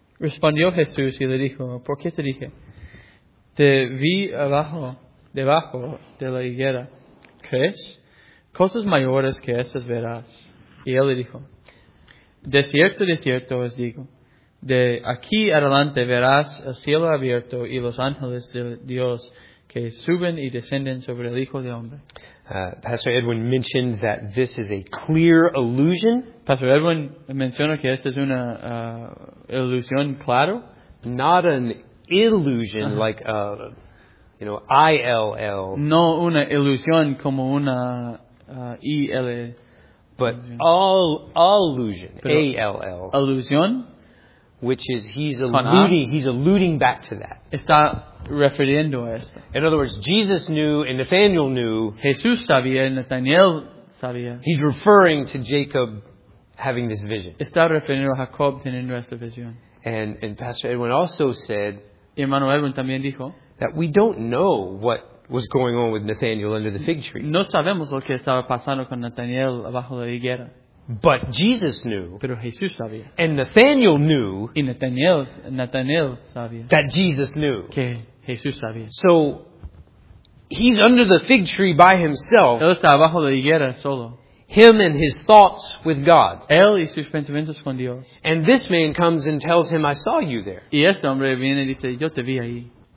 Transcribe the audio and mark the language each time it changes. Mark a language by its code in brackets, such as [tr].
[es] Respondió Jesús y le dijo, ¿por qué te dije? Te vi abajo, debajo de la higuera. ¿Crees? Cosas mayores que esas verás. Y él le dijo, de cierto, de cierto os digo, de aquí adelante verás el cielo abierto y los ángeles de Dios que suben y descienden sobre el Hijo de Hombre. [en] Pastor Edwin mentioned that this is a clear illusion. [es] Pastor Edwin mencionó que esta es una ilusión claro. [en] Not an illusion like a, you know, I-L-L. [es] No una ilusión como una I-L-L. [en] But allusion, A-L-L. [es] Alusión. [en] Which is he's alluding back to that. [es] Está refiriendo a esto. [en] In other words, Jesus knew and Nathanael knew. [es] Jesús sabía, Nathanael sabía. [en] He's referring to Jacob having this vision. [es] Está refiriendo a Jacob teniendo esta visión. [en] And Pastor Edwin also said. [es] Y hermano Edwin también dijo [en] that we don't know what was going on with Nathanael under the fig tree. [es] No sabemos lo que estaba pasando con Nathanael abajo la higuera. [en] But Jesus knew. [es] Pero Jesús sabía. [en] And Nathanael knew. [es] Y Nathanael sabía. [en] That Jesus knew. [es] Que Jesús sabía. [en] So, he's under the fig tree by himself. [es] Él está bajo la higuera solo. [en] Him and his thoughts with God. [es] Él y sus pensamientos con Dios. [en] And this man comes and tells him, I saw you there. [es] Y este hombre viene y dice, yo te vi ahí.